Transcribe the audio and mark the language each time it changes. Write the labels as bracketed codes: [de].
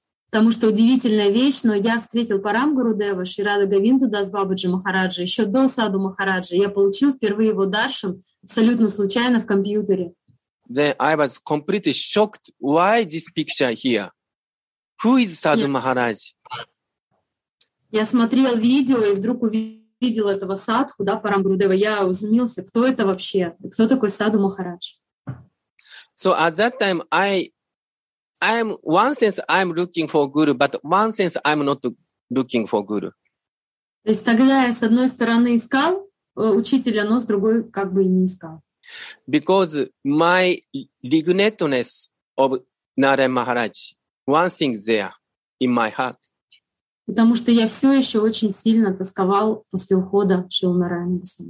[ru] Потому что удивительная вещь, но я встретил Парамгурудева, Ширада Говинду Дас Бабаджи Махараджа, еще до Sadhu Maharaja. Я получил впервые его даршан абсолютно случайно в компьютере. [en] Then I was completely shocked. Why this picture here? Who is Sadhu Maharaj? [ru] Я смотрел видео и вдруг увидел этого Садху, да, Парамбрудева. Я узумился, кто это вообще? Кто такой Садху Махарадж? [en] So at that time I am one sense I'm looking for guru, but one sense I'm not looking for guru. [ru] То есть тогда я с одной стороны искал учителя, но с другой как бы и не искал. [en] Because my lignetness of Narayan Maharaj, one thing there in my heart. [ru] Потому что я все еще очень сильно тосковал после ухода Шрилы Нараяна.